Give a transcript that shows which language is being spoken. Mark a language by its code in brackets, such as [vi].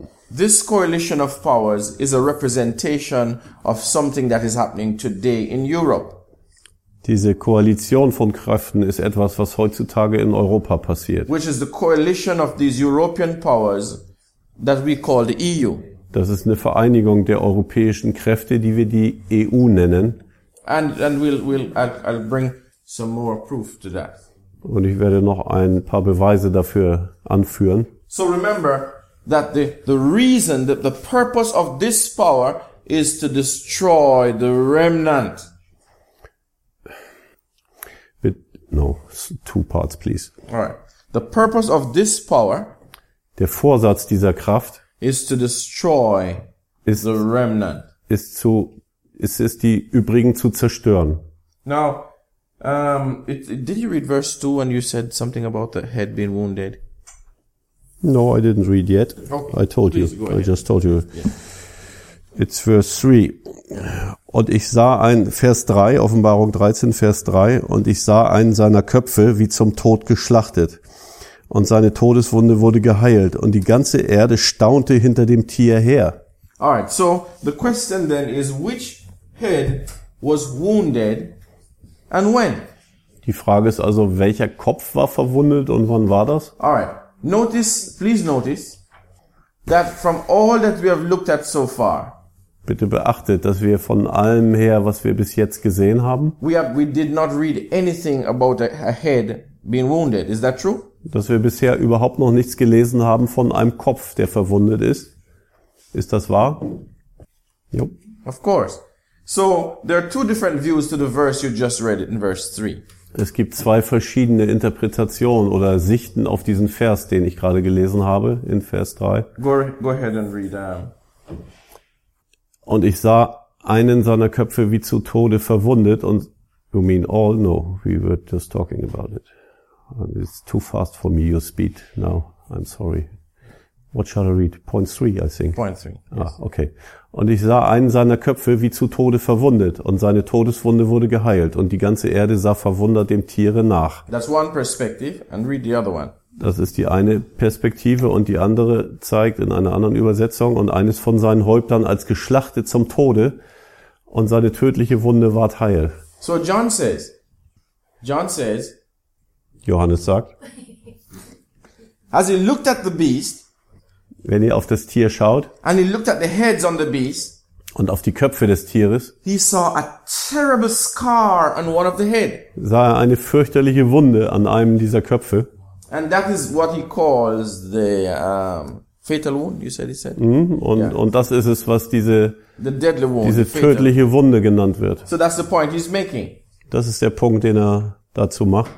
[en] This coalition of powers is a representation of something that is happening today in Europe. [de] Diese Koalition von Kräften ist etwas, was heutzutage in Europa passiert. [en] Which is the coalition of these European powers that we call the EU. [de] Das ist eine Vereinigung der europäischen Kräfte, die wir die EU nennen. [en] And I'll bring some more proof to that. [de] Und ich werde noch ein paar Beweise dafür anführen. [en] So remember that the reason, that the purpose of this power is to destroy the remnant. No, two parts, please. All right. The purpose of this power, [de] der Vorsatz dieser Kraft, [en] is to destroy the remnant. [de] Ist die übrigen zu zerstören. [en] Now, did you read verse 2 when you said something about the head being wounded? No, I didn't read yet. Okay. I told please you. Go ahead. I just told you. Yeah. It's verse 3. [de] Und ich sah ein, Vers 3, Offenbarung 13, Vers 3, und ich sah einen seiner Köpfe wie zum Tod geschlachtet. Und seine Todeswunde wurde geheilt, und die ganze Erde staunte hinter dem Tier her. [en] Alright, so, the question then is, which head was wounded and when? [de] Die Frage ist also, welcher Kopf war verwundet und wann war das? [en] Alright, please notice, that from all that we have looked at so far, [de] bitte beachtet, dass wir von allem her, was wir bis jetzt gesehen haben, [en] we did not read anything about a head being wounded. Is that true? [de] Dass wir bisher überhaupt noch nichts gelesen haben von einem Kopf, der verwundet ist. Ist das wahr? [en] Yep. Of course. So there are two different views to the verse you just read in verse 3. [de] Es gibt zwei verschiedene Interpretationen oder Sichten auf diesen Vers, den ich gerade gelesen habe in Vers 3. [en] Go ahead and read. [de] Und ich sah einen seiner Köpfe wie zu Tode verwundet und [en] you mean all? No, we were just talking about it. It's too fast for me, your speed now. I'm sorry. What shall I read? Point 3, I think. Point 3. Yes. Ah, okay. [de] Und ich sah einen seiner Köpfe wie zu Tode verwundet und seine Todeswunde wurde geheilt und die ganze Erde sah verwundert dem Tiere nach. [en] That's one perspective and read the other one. [de] Das ist die eine Perspektive und die andere zeigt in einer anderen Übersetzung und eines von seinen Häuptern als geschlachtet zum Tode und seine tödliche Wunde ward heil. [en] So John says, [de] Johannes sagt, [en] as he looked at the beast, [de] wenn ihr auf das Tier schaut, [en] and he looked at the heads on the beast, [de] und auf die Köpfe des Tieres, [en] he saw a terrible scar on one of the head, [de] sah er eine fürchterliche Wunde an einem dieser Köpfe, [en] and that is what he calls the fatal wound, you said, he said. Mm-hmm. [de] Und, yeah. Und das ist es, was diese, [en] the deadly wound, [de] diese tödliche fatal. Wunde genannt wird. [en] So that's the point he's making. [de] Das ist der Punkt, den er dazu macht.